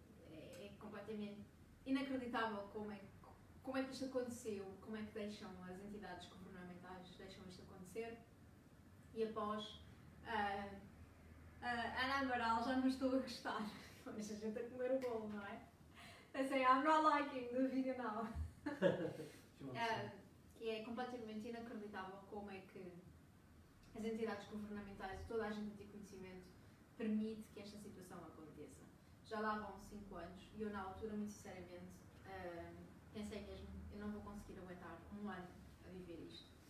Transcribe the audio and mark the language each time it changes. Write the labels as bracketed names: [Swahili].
[Portuguese] É completamente inacreditável como é que isto aconteceu, como é que deixam as entidades governamentais deixam isto acontecer. E após, Ana Amaral, já não estou a gostar. Mas a gente a comer o bolo, não é? [English] I say, I'm not liking the video now. [Portuguese] Que é completamente inacreditável como é que as entidades governamentais, toda a gente de conhecimento, permite que esta situação aconteça. Já lá vão 5 anos e eu, na altura, muito sinceramente, pensei mesmo, eu não vou conseguir aguentar um ano a viver isto.